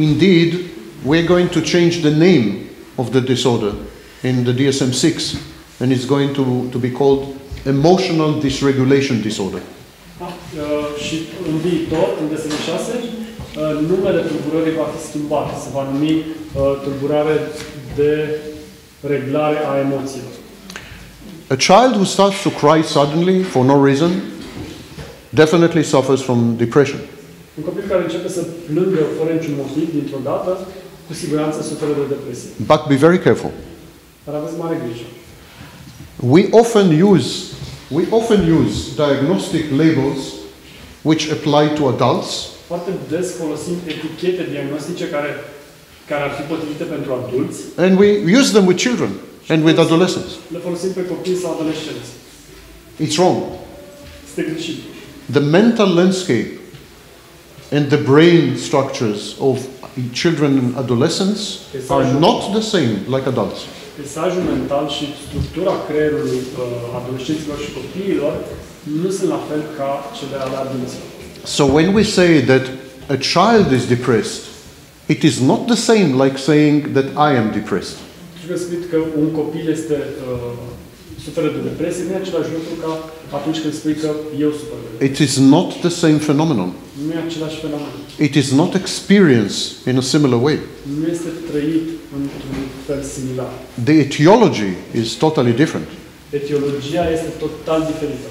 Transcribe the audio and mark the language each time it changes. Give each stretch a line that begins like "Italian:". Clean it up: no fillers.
English: Indeed, we're going to change the name of the disorder in the DSM-6, and it's going to be called emotional dysregulation disorder.
Romanian: Și în viitor, în DSM-6, numele tulburării va fi schimbat, se va numi tulburare de reglare a emoțiilor.
English: A child who starts to cry suddenly for no reason definitely suffers from depression.
Romanian: Un copil care începe să plângă fără niciun motiv dintr-o dată, cu siguranță suferă de depresie.
English: But be very careful.
Romanian: Dar aveți mare grijă.
English: We often use diagnostic labels which apply to adults.
Romanian: Foarte des folosim etichete diagnostice care ar fi potrivite pentru adulți.
English: And we use them with children and with adolescents.
Romanian: Le folosim pe copii sau adolescenți.
English: It's wrong.
Romanian: Este greșit.
English: The mental landscape and the brain structures of children and adolescents are not the same like adults.
Romanian: Pesajul mental și structura creierului adolescenților și copiilor nu sunt la fel ca cele ale adulților.
English: So when we say that a child is depressed, it is not the same like saying that I am depressed.
Romanian: Trebuie să spui că un copil este suferă de depresie, nu e același lucru ca atunci când spui că eu sufer de depresie.
English: It is not the same phenomenon.
Romanian: Nu e același fenomen.
English: It is not experienced in a similar way.
Romanian: Nu este trăit într-un fel similar.
English: The etiology is totally different.
Romanian: Etiologia este total diferită.